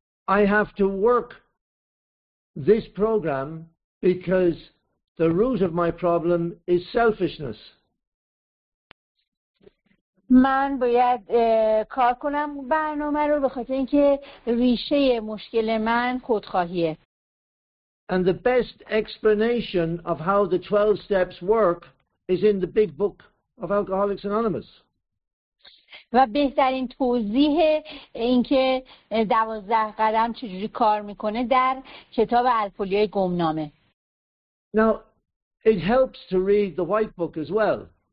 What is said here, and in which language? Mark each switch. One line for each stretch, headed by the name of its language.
English: I have to work this program because the root of my problem is selfishness.
Persian: من باید کار کنم برنامه رو به خاطر اینکه ریشه مشکل من خودخواهیه.
English: And the best explanation of how the 12 steps work is in the big book of Alcoholics Anonymous.
Persian: و بهترین توضیح اینکه 12 قدم چجوری کار میکنه در کتاب الکلیای گمنامه.
English: Now, it helps to read the white book as well.